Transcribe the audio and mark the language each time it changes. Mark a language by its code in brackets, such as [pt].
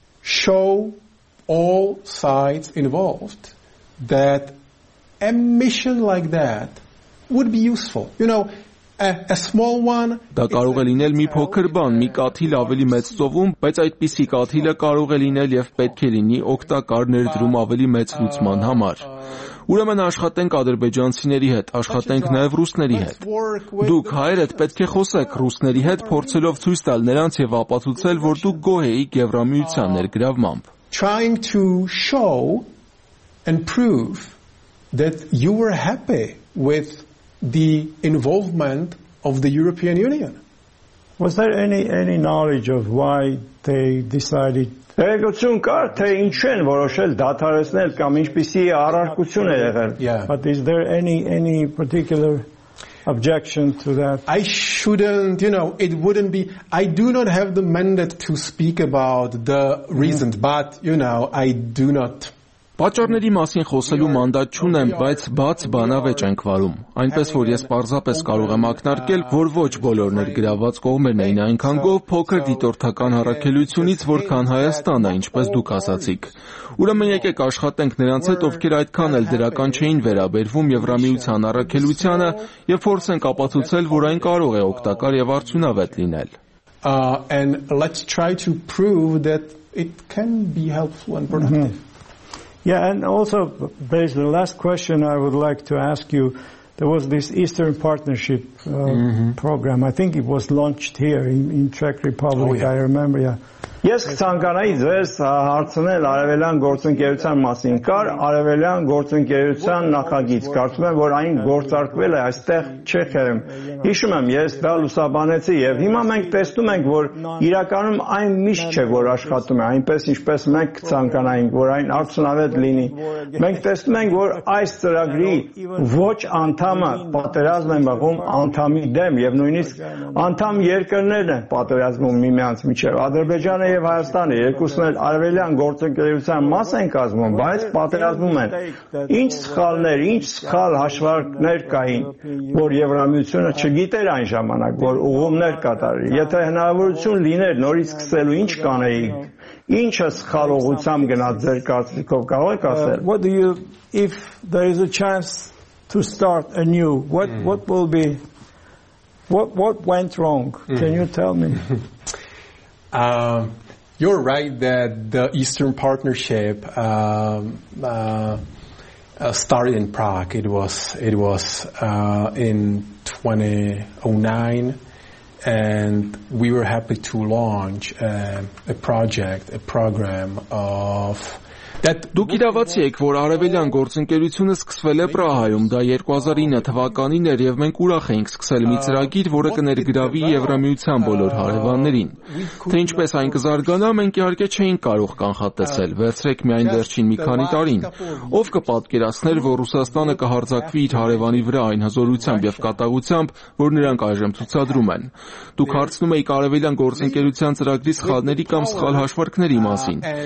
[en] Show all sides involved that a mission like that would be useful. You know, a small one [hy] դա կարող է լինել մի փոքր բան, մի կաթիլ ավելի մեծ ծովում, բայց այդպիսի կաթիլը կարող է լինել եւ պետք է լինի օգտակար ներդրում ավելի մեծ լուծման համար։ Ուրեմն աշխատենք ադրբեջանցիների հետ, աշխատենք նաեւ ռուսների հետ։ Դուք հայերդ պետք է խոսեք ռուսների հետ, փորձելով ցույց տալ նրանց եւ ապացուցել, որ դուք գոհ եք Եվրամիության ներգրավմամբ։ [en] Trying to show and prove that you were happy with the involvement of the European Union. Was there any knowledge of why they decided [hy] Հեգություն կար, թե ինչ են որոշել դադարեցնել կամ ինչպիսի առարկություն է եղել. [en] But is there any particular objection to that? I shouldn't, you know, it wouldn't be, I do not have the mandate to speak about the reasons, but, you know, I do not [hy] Պաճառների մասին խոսելու մանդատ չունեմ, բայց բաց բանավեճ ենք վարում, այնպես որ ես պարզապես կարող եմ ակնարկել, որ ոչ բոլոր ներգրաված կողմերն էին այնքան գով փոքր դիտորդական առաքելությունից, որքան Հայաստանը, ինչպես դուք ասացիք։ Ուրեմն եկեք աշխատենք նրանց հետ, ովքեր այդքան էլ դրական չէին վերաբերվում Եվրամիության առաքելությանը, և փորձենք ապացուցել, որ այն կարող է օգտակար և արդյունավետ լինել։ [en] And let's try to prove that it can be helpful and productive. Yeah, and also, basically, the last question I would like to ask you, there was this Eastern Partnership program. I think it was launched here in Czech Republic, oh, yeah. I remember, yeah. [hy] Ես ցանկանայի ձեզ հարցնել արևելյան գործընկերության մասին։ Կար արևելյան գործընկերության նախագիծ, կարծում եմ, որ այն գործարկվել է այստեղ Չեխիայում։ Հիշում եմ, ես դա լուսաբանեցի եւ հիմա մենք տեսնում ենք, որ իրականում այն միշտ չէ, որ աշխատում է այնպես, ինչպես մենք ցանկանայինք, որ այն արդյունավետ լինի։ Մենք տեսնում ենք, որ այս ծրագրի ոչ անդամը պատերազմ են բախում անդամի դեմ եւ նույնիսկ անդամ երկրներն են պատերազմում միմյանց միջև։ Ադրբեջանը եւ Հայաստանը երկուսն էլ արևելյան գործընկերության մաս են կազմում, բայց պատերազմում են։ Ինչ սխալներ, ինչ սխալ հաշվարկներ կային, որ Եվրամիությունը չգիտեր այն ժամանակ, որ ուղումներ կատարի։ Եթե հնարավորություն լիներ նորից սկսելու, ինչ կանեիք։ Ինչը սխալ ուղությամ գնաց ձեր կարծիքով, կարող եք ասել։ [en] What do you if there is a chance to start anew, what will be what went wrong? Can you tell me? You're right that the Eastern Partnership started in Prague. It was in 2009, and we were happy to launch a program of [hy] Դուք իրավացի եք, որ արևելյան գործընկերությունը սկսվել է Պրահայում, դա 2009 թվականին էր, և մենք ուրախ էինք սկսել մի ծրագիր, որը կներգրավի Եվրամիության բոլոր հարևաններին։ Թե ինչպես այն կզարգանա, մենք իհարկե չէինք կարող կանխատեսել, վերցրեք միայն վերջին մի քանի տարին, ով կպատկերացներ, որ Ռուսաստանը կհարձակվի իր հարևանի վրա այն հզորությամբ և կատաղությամբ, որ նրանք այժմ ցուցադրում են։ Դուք հարցնում էիք արևելյան գործընկերության ծրագրի սխալների կամ սխալ հաշվարկների մասին։